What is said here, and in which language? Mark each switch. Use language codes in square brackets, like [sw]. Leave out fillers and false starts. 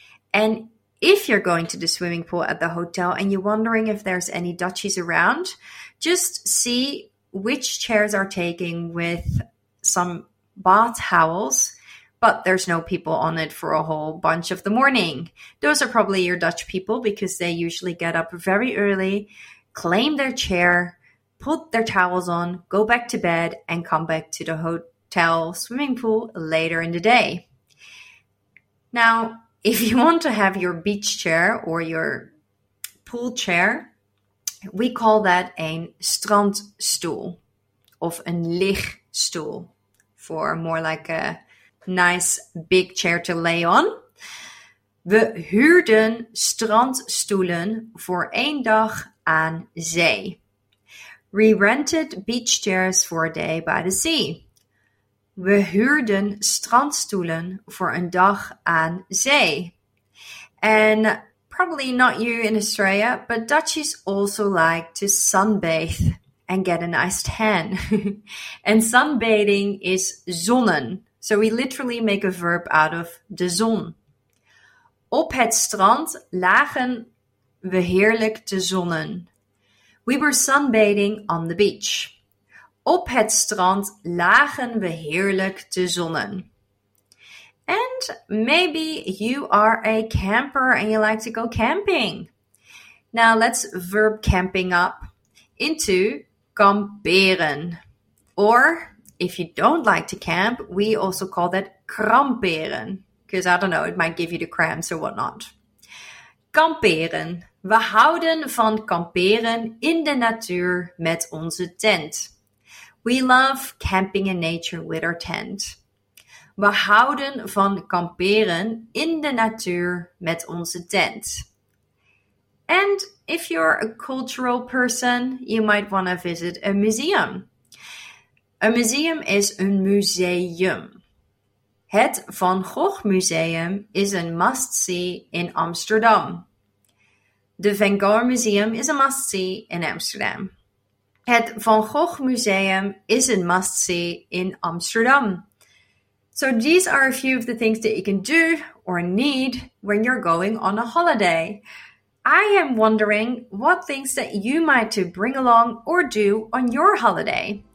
[en] And if you're going to the swimming pool at the hotel and you're wondering if there's any Dutchies around, just see which chairs are taken with some bath towels but there's no people on it for a whole bunch of the morning. Those are probably your Dutch people because they usually get up very early, claim their chair, put their towels on, go back to bed, and come back to the hotel swimming pool later in the day. Now, if you want to have your beach chair or your pool chair, we call that a strandstoel of a lichtstoel for more like a nice big chair to lay on. [nl] We huurden strandstoelen voor één dag aan zee. [en] We rented beach chairs for a day by the sea. [nl] We huurden strandstoelen voor een dag aan zee. [en] And probably not you in Australia, but Dutchies also like to sunbathe and get a nice tan. And sunbathing is zonnen. So we literally make a verb out of de zon. [nl] Op het strand lagen we heerlijk te zonnen. We were sunbathing on the beach. Op het strand lagen we heerlijk te zonnen. [en] And maybe you are a camper and you like to go camping. Now let's verb camping up into kamperen. Or if you don't like to camp, we also call that kramperen. Because I don't know, it might give you the cramps or whatnot. [nl] Kamperen. We houden van kamperen in de natuur met onze tent. [en] We love camping in nature with our tent. [nl] We houden van kamperen in de natuur met onze tent. [en] And if you're a cultural person, you might want to visit a museum. A museum is een museum. [nl] Het Van Gogh Museum is een must-see in Amsterdam. [en] The Van Gogh Museum is a must-see in Amsterdam. Het Van Gogh Museum is a must-see in Amsterdam. So these are a few of the things that you can do or need when you're going on a holiday. I am wondering what things that you might to bring along or do on your holiday.